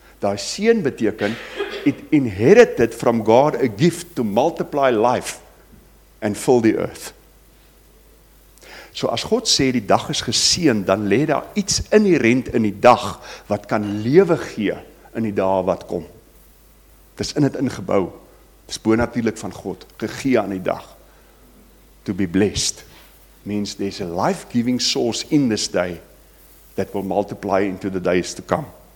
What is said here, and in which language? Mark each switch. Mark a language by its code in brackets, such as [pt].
[af] Daai seën beteken [en] it inherited from God a gift to multiply life and fill the earth. [af] So as God sê die dag is geseën, dan lê daar iets inherent in die dag wat kan lewe gee in die dae wat kom. Dit is in dit ingebou. Dit is bonatuurlik van God gegee aan die dag. [en] To be blessed means there's a life-giving source in this day that will multiply into the days to come.